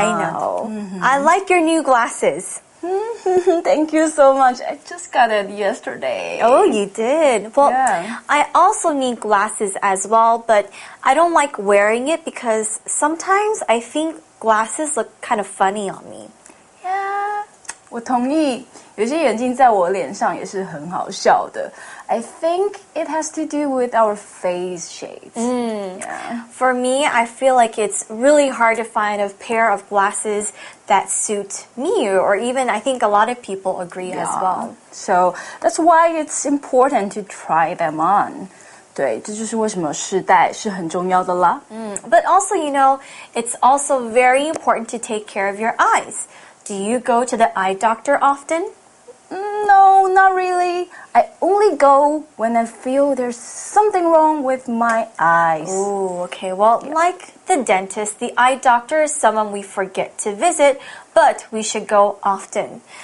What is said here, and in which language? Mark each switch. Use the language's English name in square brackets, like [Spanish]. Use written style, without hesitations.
[English] I know. Mm-hmm. I like your new glasses. Thank you so much. I just got it yesterday. Oh, you did. Well, yeah. I also need glasses as well, but I don't like wearing it because sometimes I think glasses look kind of funny on me. [Chinese] Yeah, 我同意。有些眼镜在我脸上也是很好笑的。 [English] I think it has to do with our face shades. Mm. Yeah. For me, I feel like it's really hard to find a pair of glasses that suit me, or even I think a lot of people agree as well. So that's why it's important to try them on. [Chinese] 对，这就是为什么试戴是很重要的啦。 [English] But also, you know, it's also very important to take care of your eyes. Do you go to the eye doctor often? No, not really. I only go when I feel there's something wrong with my eyes. Ooh, okay. Well, like the dentist, the eye doctor is someone we forget to visit, but we should go often.